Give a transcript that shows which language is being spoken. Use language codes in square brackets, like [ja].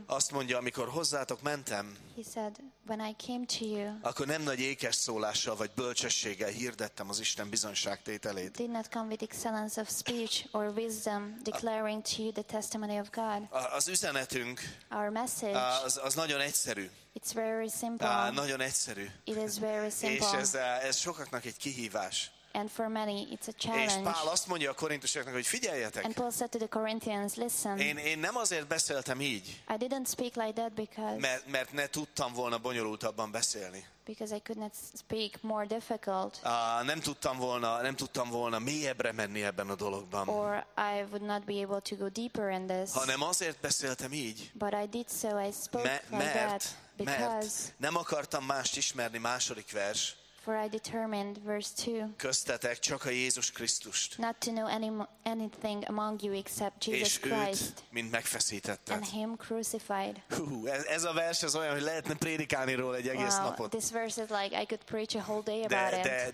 [hu] Azt mondja, amikor hozzátok mentem, [en] he said, when I came to you, [hu] akkor nem nagy ékes szólással vagy bölcsességgel hirdettem az Isten bizonyságtételét. [en] Did not come with excellence of speech or wisdom, declaring to you the testimony of God. [hu] Az üzenetünk, [en] our message, [hu] az nagyon egyszerű. [en] It's very simple. [hu] Nagyon egyszerű. [en] It is very simple. [hu] És ez sokaknak egy kihívás. [en] And for many, it's a challenge. [hu] És Pál azt mondja a korintusoknak, hogy figyeljetek. [en] And Paul said to the Corinthians, listen. [hu] Én nem azért beszéltem így. [en] I didn't speak like that because. [hu] Mert ne tudtam volna bonyolultabban beszélni. [en] Because I could not speak more difficult. [hu] Nem tudtam volna mélyebbre menni ebben a dologban. [en] Or I would not be able to go deeper in this. [hu] Hanem azért beszéltem így. [en] But I did so. I spoke like that. [hu] Mert nem akartam mást ismerni, második vers. [en] For I determined, verse 2. [hu] Köztetek csak a Jézus Krisztust. [en] Not to know anything among you except Jesus Christ. [hu] És őt, mint megfeszítetted. [en] And him crucified. [hu] Ez a vers az olyan, hogy lehetne prédikálni róla egy egész napot. [en] Well, this verse is like I could preach a whole day about it.